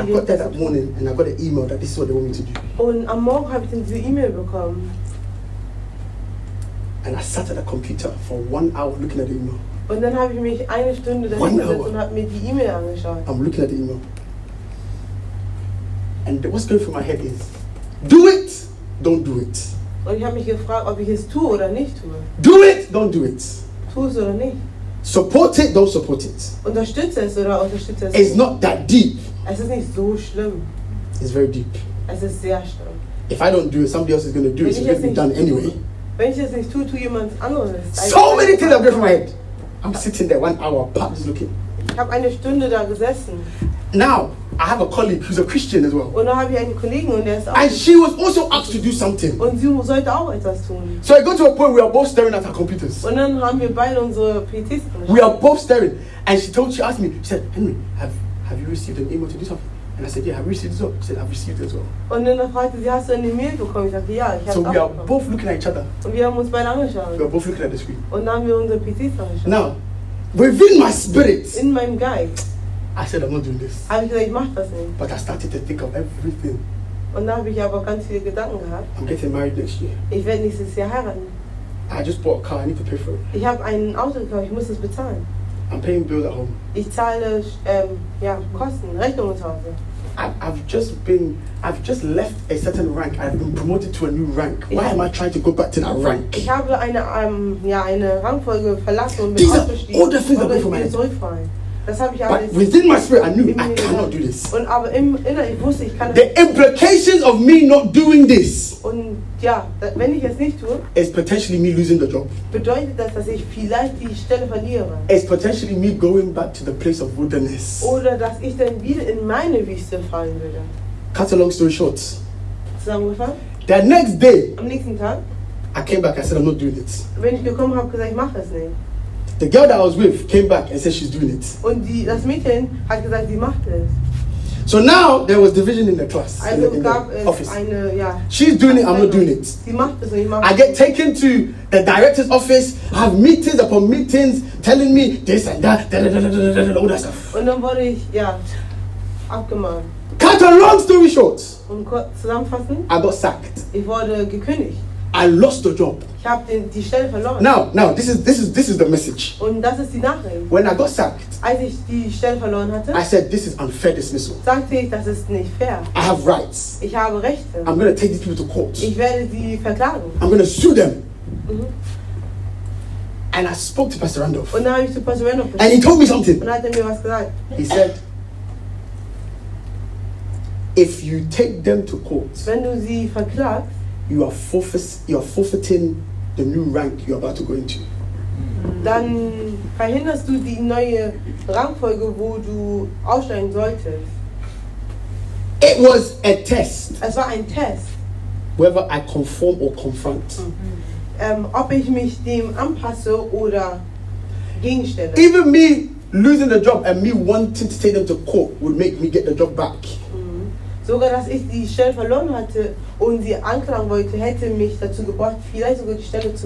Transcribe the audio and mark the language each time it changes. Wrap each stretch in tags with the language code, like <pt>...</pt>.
<en>I got that morning and I got an email that this is what they want me to do.</en> <de>Und am Morgen habe ich dann diese E-Mail bekommen.</de> <en>And I sat at the computer for 1 hour looking at the email.</en> <de>Und dann habe ich mich eine Stunde dahin gesetzt und habe mir die E-Mail angeschaut.</de> <en>I'm looking at the email. And what's going through my head is, do it, don't do it.</en> <de>Und ich habe mich gefragt, ob ich es tue oder nicht tue.</de> <en>Do it, don't do it.</en> <de>Tu es oder nicht.</de> <en>Support it, don't support it.</en> <de>Unterstütze es oder unterstütze es nicht.</de> <en>It's not that deep.</en> <de>Es ist nicht so schlimm.</de> <en>It's very deep.</en> <de>Es ist sehr schlimm.</de> <en>If I don't do it, somebody else is going to do it. so it's going to be done anyway.</en> <de>Wenn ich es nicht tue, tue jemand anderes.</de> <en>So many things have gone from my head. I'm sitting there 1 hour, perhaps looking.</en> <de>Ich habe eine Stunde da gesessen.</de> <en>Now, I have a colleague who's a Christian as well.</en> <de>Und dann habe ich einen Kollegen und der ist auch.</de> <en>And she was also asked to do something.</en> <de>Und sie sollte auch etwas tun.</de> <en>So I got to a point where we are both staring at our computers.</en> <de>Und dann haben wir beide unsere PCs.</de> <en>We are both staring, and she asked me, Henry, have you received an email to do something? And I said, yeah, I received it. So she said, I've received it as well.</en> <de>Und dann fragte sie, hast du eine E-Mail bekommen? Ich sagte, ja, ich habe.</de> <en>So we are both looking at each other.</en> <de>Und wir haben uns beide angeschaut.</de> <en>We are both looking at the screen.</en> <de>Und dann haben wir unsere PCs angeschaut.</de> <en>Now, within my spirit.</en> <de>In meinem Geist.</de> <en>I said I'm not doing this.</en> <de>Habe ich gesagt, ich mach das nicht.</de> <en>But I started to think of everything.</en> <de>Und dann habe ich aber ganz viele Gedanken gehabt.</de> <en>I'm getting married next year.</en> <de>Ich werde nächstes Jahr heiraten.</de> <en>I just bought a car. I need to pay for it.</en> <de>Ich habe ein Auto gekauft. Ich muss es bezahlen.</de> <en>I'm paying bills at home.</en> <de>Ich zahle Kosten, Rechnungen zu Hause.</de> <en>I've just left a certain rank. I've been promoted to a new rank. Why am I trying to go back to that rank?</en> <de>Ich habe eine Rangfolge verlassen und bin aufgestiegen. Oder ich will zurückfallen. Das habe ich alles.</de> <en>But within my spirit, I knew I cannot do this.</en> <de>Und aber im Inneren, ich wusste, ich kann das.</de> <en>The implications of me not doing this.</en> <de>Und ja, wenn ich es nicht tue,</de> <en>is potentially me losing the job.</en> <de>Bedeutet das, dass ich vielleicht die Stelle verliere?</de> <en>Is potentially me going back to the place of wilderness.</en> <de>Oder dass ich dann wieder in meine Wüste fallen würde.</de> <en>Cut a long story short.</en> <de>Zusammengefasst.</de> <en>The next day.</en> <de>Am nächsten Tag.</de> <en>I came back. I said I'm not doing it.</en> <de>Wenn ich gekommen habe, gesagt, ich mache es nicht.</de> <en>The girl that I was with came back and said she's doing it.</en> <de>Und die, das Mädchen hat gesagt, sie macht es.</de> <en>So now there was division in the class.</en> <de>Also</de> <en>in</en> <de>gab</de> <en>the office.</en> <de>Eine, ja.</de> <en>She's doing it, I'm not doing it.</en> <de>Sie macht es, ich mache</de> <en>I get taken to the director's office, have meetings upon meetings, telling me this and that, all that stuff.</en> <de>Und dann wurde ich, ja, abgemahnt.</de> <en>Cut a long story short.</en> <de>Und kurz zusammenfassen.</de> <en>I got sacked.</en> <de>Ich wurde gekündigt.</de> <en>I lost the job.</en> <de>Ich habe die Stelle verloren.</de> <en>Now this is the message.</en> <de>Und das ist die Nachricht.</de> <en>When I got sacked,</en> <de>als ich die Stelle verloren hatte,</de> <en>I said this is unfair dismissal.</en> <de>Sagte ich, das ist nicht fair.</de> <en>I have rights.</en> <de>Ich habe Rechte.</de> <en>I'm gonna take these people to court.</en> <de>Ich werde sie verklagen.</de> <en>I'm gonna sue them. Mm-hmm. And I spoke to Pastor Randolph.</en> <de>Und dann habe ich zu Pastor Randolph gesprochen.</de> <en>And he told me something.</en> <de>Und hat mir was gesagt.</de> <en>He said, if you take them to court,</en> <de>wenn du sie verklagst,</de> <en>you are forfeiting the new rank you're about to go into.</en> <de>Dann verhinderst du die neue Rangfolge, wo du aufsteigen solltest.</de> <en>It was a test.</en> <de>Es war ein Test.</de> <en>Whether I conform or confront.</en> <de>Mm-hmm. Ob ich mich dem anpasse oder gegenstelle.</de> <en>Even me losing the job and me wanting to take them to court would make me get the job back.</en> <de>Sogar, dass ich die Stelle verloren hatte und sie anklagen wollte, hätte mich dazu gebracht, vielleicht sogar die Stelle zu</de>